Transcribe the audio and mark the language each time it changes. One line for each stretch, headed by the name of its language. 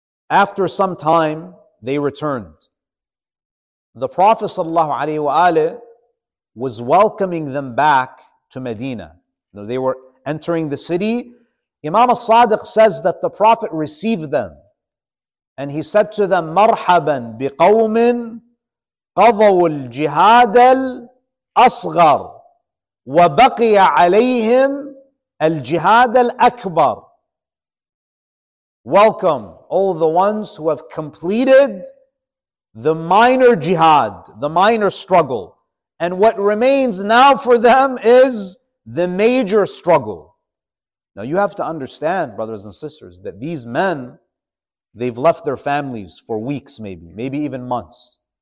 English: After some time, they returned. The Prophet sallallahu alaihi wa alihi was welcoming them back to Medina. They were entering the city. Imam al-Sadiq says that the Prophet received them. And he said to them,
Arabic: مَرْحَبًا بِقَوْمٍ قَضَوُ الْجِهَادَ الْأَصْغَرُ وَبَقِيَ عَلَيْهِمْ الْجِهَادَ الْأَكْبَرُ.
English: Welcome all the ones who have completed the minor jihad, the minor struggle. And what remains now for them is the major struggle. Now you have to understand, brothers and sisters, that these men, they've left their families for weeks maybe even months.